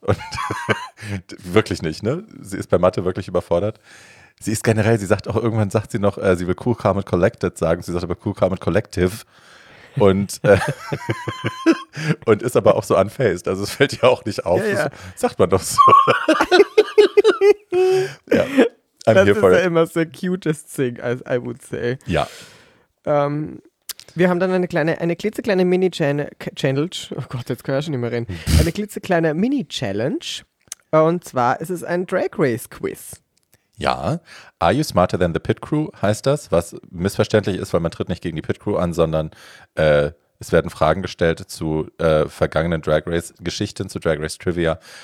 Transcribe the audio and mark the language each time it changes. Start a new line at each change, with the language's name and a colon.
German: Und wirklich nicht, ne? Sie ist bei Mathe wirklich überfordert. Sie ist generell, sie sagt auch, irgendwann sagt sie noch, sie will
English: cool, calm and collected
German: sagen. Sie sagt aber
English: cool, calm and collective.
German: Und, und ist aber auch so unfazed. Also es fällt ihr auch nicht auf. Ja, ja. Sagt man doch so. Ja.
English: I'm
German: das ist ja immer
English: the cutest thing, as I would say.
German: Ja. Wir haben dann eine klitzekleine Mini-Challenge. Oh Gott, jetzt kann ich schon nicht mehr reden. Eine klitzekleine Mini-Challenge. Und zwar ist es ein Drag Race Quiz.
English: Ja. Are you smarter than the Pit Crew,
German: heißt das. Was missverständlich ist, weil man tritt nicht gegen die Pit Crew an, sondern es werden Fragen gestellt zu vergangenen Drag Race Geschichten, zu Drag Race Trivia.